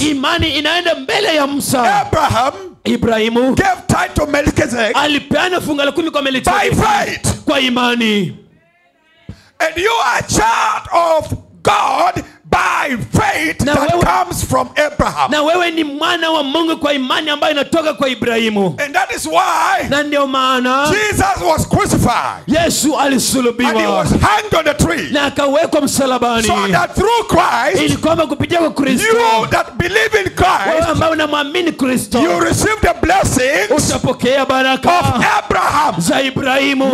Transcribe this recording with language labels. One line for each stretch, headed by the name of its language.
Swahili: Imani inaenda mbele ya Musa.
English: Abraham.
Swahili: Ibrahimu
English: gave tithe to Melchizedek.
Swahili: Alipeana fungu la 10 kwa Melchizedek.
English: By faith.
Swahili: Kwa imani.
English: And you are child of God by faith that comes from Abraham.
Swahili: Na wewe ni mwana wa Mungu kwa imani ambayo inatoka kwa Ibrahimu.
English: And that is why.
Swahili: Na ndio maana.
English: Jesus was crucified.
Swahili: Yesu alisulubiwa.
English: And he was hanged on a tree.
Swahili: Na akawekwa msalabani.
English: So that through Christ.
Swahili: Ili kwamba kupitia kwa Kristo.
English: You that believe in Christ.
Swahili: Wewe ambao unaamini Kristo.
English: You receive the blessings.
Swahili: Utapokea baraka.
English: Of Abraham.
Swahili: Za Ibrahimu.